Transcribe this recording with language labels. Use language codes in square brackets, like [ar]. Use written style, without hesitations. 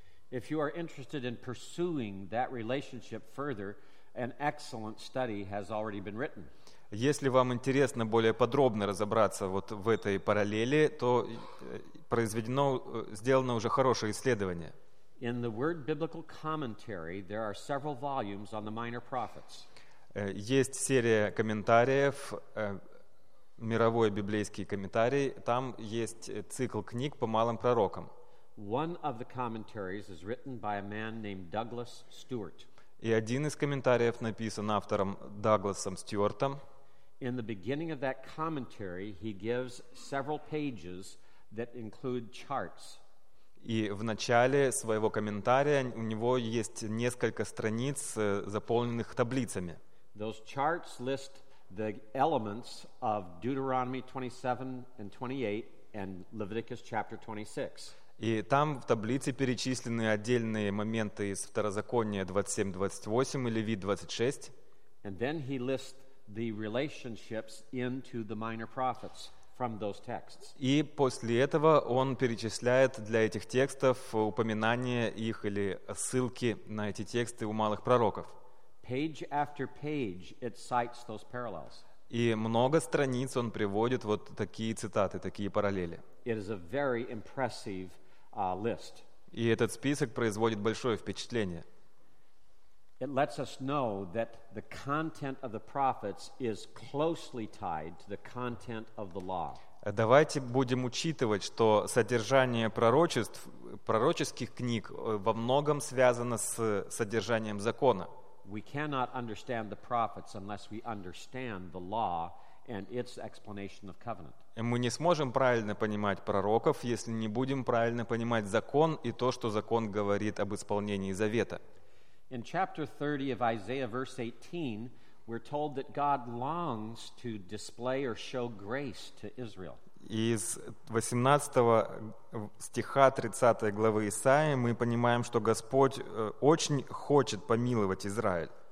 [en] If you are interested in pursuing that relationship further, an excellent study has already been written. [ru] Если вам интересно более подробно разобраться вот в этой параллели, то произведено, сделано уже хорошее исследование. [en] In the Word Biblical Commentary, there are several volumes on the Minor Prophets. [ru] Есть серия комментариев, мировой библейский комментарий. Там есть цикл книг по малым пророкам. [en] One of the commentaries is written by a man named Douglas Stewart. [ru] И один из комментариев написан автором Дагласом Стюартом. [en] In the beginning of that commentary, he gives several pages that include charts. [ru] И в начале своего комментария у него есть несколько страниц, заполненных таблицами. [en] Those charts list the elements of Deuteronomy 27 and 28 and Leviticus chapter 26. [ru] И там в таблице перечислены отдельные моменты из Второзакония 27-28 и Левит 26. [en] And then he lists the relationships into the minor prophets from those texts. [ru] И после этого он перечисляет для этих текстов упоминания их или ссылки на эти тексты у малых пророков. [en] Page after page it cites those parallels. [ru] И много страниц он приводит вот такие цитаты, такие параллели. [en] It is a very impressive list. [ru] И этот список производит большое впечатление. [en] It lets us know that the content of the prophets is closely tied to the content of the law. [ru] Давайте будем учитывать, что содержание пророчеств, пророческих книг во многом связано с содержанием закона. [en] We cannot understand the prophets unless we understand the law and its explanation of covenant. [ru] Мы не сможем правильно понимать пророков, если не будем правильно понимать закон и то, что закон говорит об исполнении завета. [en] In chapter 30 of Isaiah, verse 18, we're told that God longs to display or show grace to Israel. [ru] Из 18 стиха 30 главы Исаии мы понимаем, что Господь очень хочет помиловать Израиль.